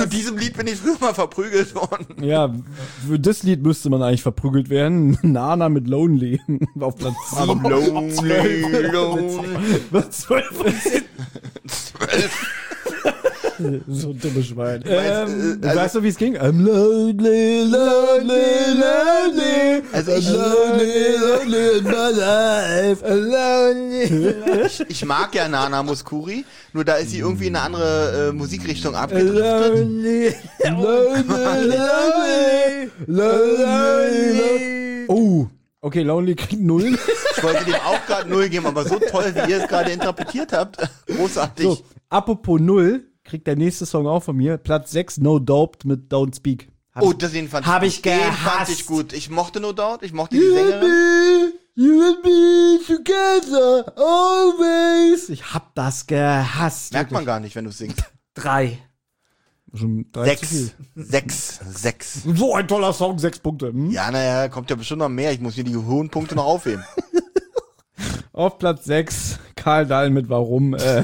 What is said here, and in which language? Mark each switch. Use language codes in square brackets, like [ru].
[de] Zu diesem Lied bin ich früher mal verprügelt worden. Ja, für das Lied müsste man eigentlich verprügelt werden. Nana mit Lonely auf Platz 7. Lonely. Was? 12. 12. So ein dummes Schwein. Also, weißt du, wie es ging? [en] I'm lonely, lonely, lonely. [de] Also ich, [en] lonely, lonely in my life. I'm lonely. [de] Ich mag ja Nana Mouskouri, nur da ist sie irgendwie in eine andere Musikrichtung abgedriftet. [en] Lonely, lonely, lonely, lonely, lonely. [de] Oh, okay, Lonely kriegt null. Ich wollte dem auch gerade null geben, aber so toll, wie ihr es gerade interpretiert habt, großartig. So, apropos null, kriegt der nächste Song auch von mir, Platz 6, No Doubt mit Don't Speak. Oh, das den fand ich gut. Den fand ich gut. Ich mochte No Doubt, ich mochte die Sängerin. [en] You and me together, always. [de] Ich hab das gehasst. Merkt wirklich. Man gar nicht, wenn du singst. Drei. Schon drei sechs. Sechs. Sechs. So ein toller Song, 6 Punkte. Hm? Ja, naja, kommt ja bestimmt noch mehr. Ich muss mir die hohen Punkte noch aufheben. Auf Platz 6, Karl Dahl mit Warum.